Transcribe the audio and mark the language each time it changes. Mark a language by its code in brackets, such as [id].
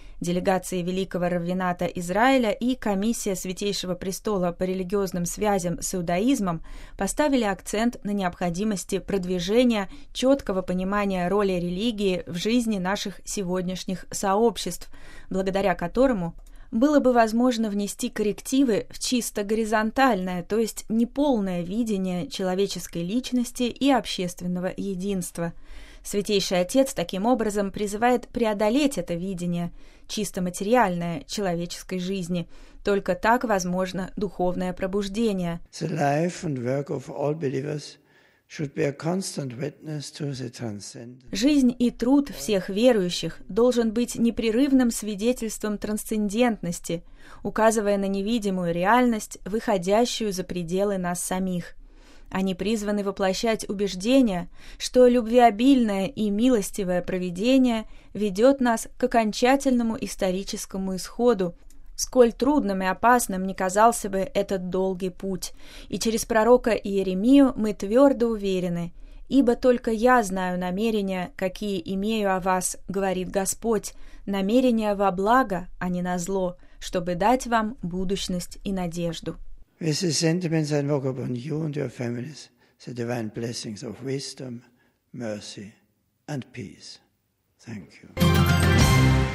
[ru] Делегации Великого Раввината Израиля и Комиссия Святейшего Престола по религиозным связям с иудаизмом поставили акцент на необходимости продвижения четкого понимания роли религии в жизни наших сегодняшних сообществ, благодаря которому было бы возможно внести коррективы в чисто горизонтальное, то есть неполное видение человеческой личности и общественного единства. Святейший Отец таким образом призывает преодолеть это видение, чисто материальное, человеческой жизни. Только так возможно духовное пробуждение. [en] The life and work of all believers should be a constant witness to the transcendent. [ru] Жизнь и труд всех верующих должен быть непрерывным свидетельством трансцендентности, указывая на невидимую реальность, выходящую за пределы нас самих. Они призваны воплощать убеждение, что любвеобильное и милостивое провидение ведет нас к окончательному историческому исходу, сколь трудным и опасным ни казался бы этот долгий путь. И через пророка Иеремию мы твердо уверены: «Ибо только я знаю намерения, какие имею о вас, говорит Господь, намерения во благо, а не на зло, чтобы дать вам будущность и надежду». [en] With the sentiments I invoke upon you and your families, the divine blessings of wisdom, mercy, and peace. Thank you.